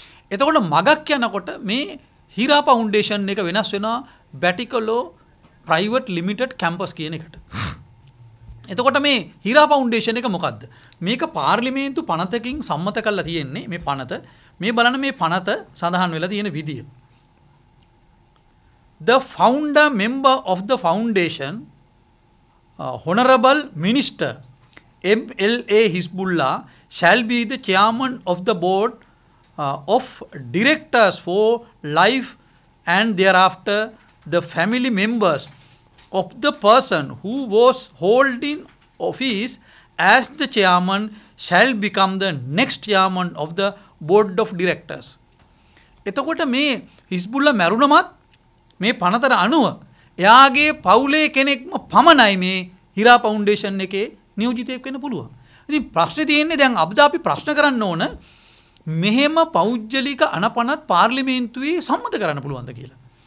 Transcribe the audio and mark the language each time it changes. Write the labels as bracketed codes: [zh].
[si] එතකොට මගක් යනකොට මේ හීරා ෆවුන්ඩේෂන් එක වෙනස් වෙනවා බැටිකලෝ ප්‍රයිවට් ලිමිටඩ් කැම්පස් කියන එකට. එතකොට මේ හීරා ෆවුන්ඩේෂන් එක මොකද්ද? මේක පාර්ලිමේන්තු පනතකින් සම්මත කරලා තියෙන්නේ. මේ පනත මේ බලන මේ පනත සඳහන් වෙලා තියෙන විදිය. [en] The founder member of the foundation honorable minister MLA Hizbullah shall be the chairman of the board of directors for life and thereafter the family members of the person who was holding office as the chairman shall become the next chairman of the board of directors. [si] එතකොට මේ Hezbollah මැරුණමත් මේ පනතර අනුව එයාගේ පවුලේ කෙනෙක්ම පමණයි මේ Hira foundation එකේ නියෝජිතයෙක් වෙන්න පුළුවන්. ඉතින් ප්‍රශ්නේ තියෙන්නේ දැන් අපි ප්‍රශ්න කරන්න ඕන මෙහෙම පෞද්ගලික අනපනත් පාර්ලිමේන්තුවේ සම්මත කරන්න පුළුවන්ද කියලා.